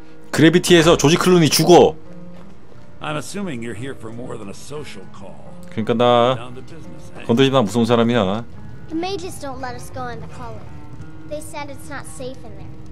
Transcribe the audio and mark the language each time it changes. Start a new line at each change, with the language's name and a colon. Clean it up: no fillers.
Korean: 그래비티에서 조지 클루니 죽어.
English: I'm assuming you're here for more than a social call.
Korean: 그러니까 나 건드리지 마. 무서운 사람이야.
English: The mages don't let us go in the column. They said it's not safe in there.